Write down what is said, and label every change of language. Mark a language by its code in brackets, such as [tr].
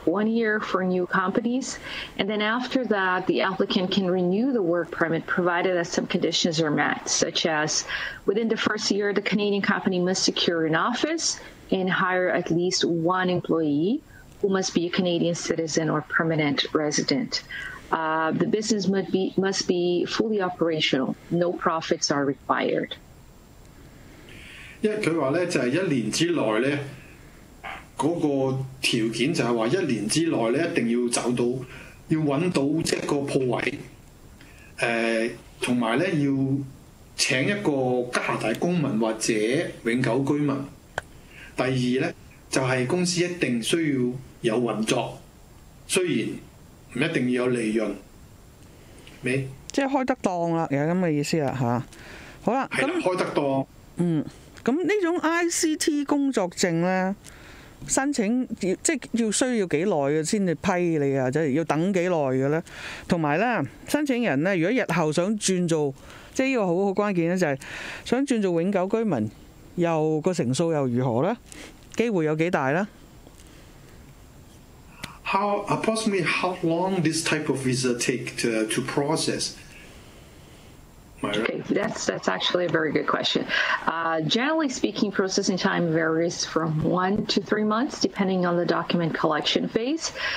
[en] 1 year for new companies, and then after that, the applicant can renew the work permit provided that some conditions are met, such as within the first year, the Canadian company must secure an office and hire at least one employee who must be a Canadian citizen or permanent resident. The business must be fully operational. No profits are required. [yue] 因為佢話咧就係、是、一年之內咧，嗰、那個條件就係話一年之內咧一定要找到，要揾到一個鋪位，同埋咧要請一個加拿大公民或者永久居民。第二咧就係、是、公司一定需要有運作，雖然唔一定要有利潤，咩？即係開得檔啦，有咁嘅意思啦嚇。好啦，咁開得檔，咁呢種 ICT 工作證咧，申請即要需要幾耐嘅先至批你啊？即要等幾耐嘅咧？同埋咧，申請人咧，如果日後想轉做，即呢個好好關鍵咧，就係、是、想轉做永久居民，又個成數又如何咧？機會有幾大咧 [en] ？How approximately how long this type of visa take to process? Okay, that's actually a very good question. Generally speaking, processing time varies from 1 to 3 months, depending on the document collection phase.